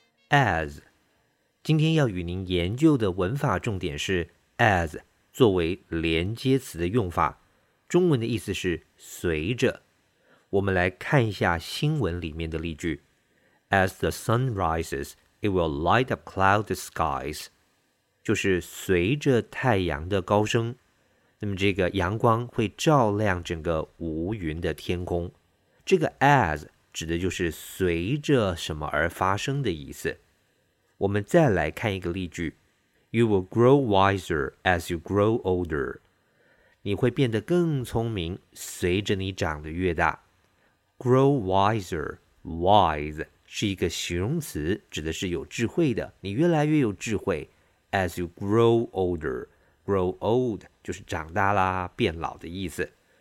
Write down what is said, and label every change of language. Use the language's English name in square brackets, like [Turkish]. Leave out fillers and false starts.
[Chinese] As 今天要与您研究的文法重点是 as 作为连接词的用法，中文的意思是随着。我们来看一下新闻里面的例句。 [English] As the sun rises, it will light up cloud skies. [Chinese] 就是随着太阳的高升，那么这个阳光会照亮整个无云的天空。这个 as 指的就是随着什么而发生的意思。我们再来看一个例句。 [English] You will grow wiser as you grow older. [Chinese] 你会变得更聪明，随着你长得越大。 Grow wiser, wise, 是一个形容词，指的是有智慧的，你越来越有智慧。 [English] As you grow older, [Chinese] grow old, 就是长大啦，变老的意思。